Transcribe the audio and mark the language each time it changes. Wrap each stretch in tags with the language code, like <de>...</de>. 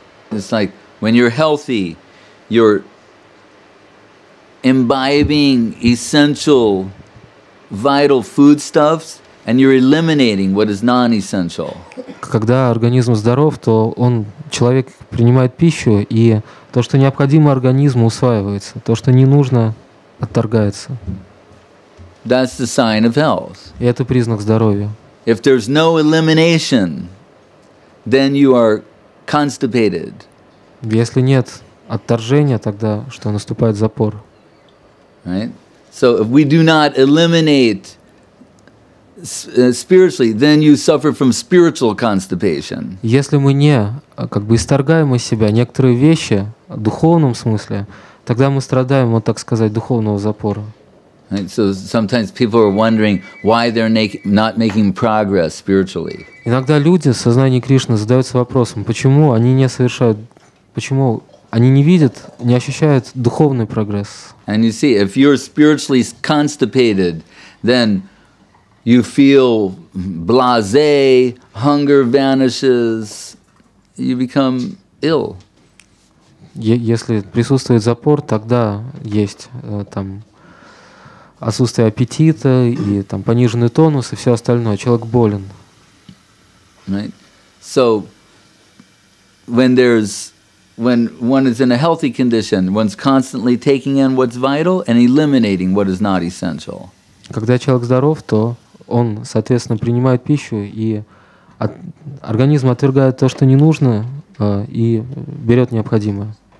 <en>It's like when you're healthy, you're imbibing essential vital foodstuffs and you're eliminating what is non-essential.</en> <ru>Когда организм здоров, то он, человек принимает пищу, и то, что необходимо организму, усваивается, то, что не нужно, отторгается.</ru> <en>That's the sign of health.</en> <ru>И это признак здоровья.</ru> <en>If there's no elimination, then you are constipated.</en> <ru>Если нет отторжения, тогда что, наступает запор.</ru> <en>Right? So if we do not eliminate spiritually, then you suffer from spiritual constipation.</en> <ru>Если мы не как бы исторгаем из себя некоторые вещи в духовном смысле, тогда мы страдаем, вот так сказать, духовного запора.</ru> <en>Right? So sometimes people are wondering why they're not making progress spiritually.</en> <ru>Иногда люди в сознании Кришны задаются вопросом, почему они не совершают, почему они не видят, не ощущают духовный прогресс.</ru> <en>And you see, if you're spiritually constipated, then you feel blasé, hunger vanishes, you become ill.</en> <ru>Если присутствует запор, тогда есть там отсутствие аппетита и там пониженный тонус и все остальное. Человек болен.</ru> <en>Right. So when there's when one is in a healthy condition, one's constantly taking in what's vital and eliminating what is not essential.</en> <ru>Когда человек здоров, то он, соответственно, принимает пищу и организм отвергает то, что не нужно, и берет необходимое.</ru>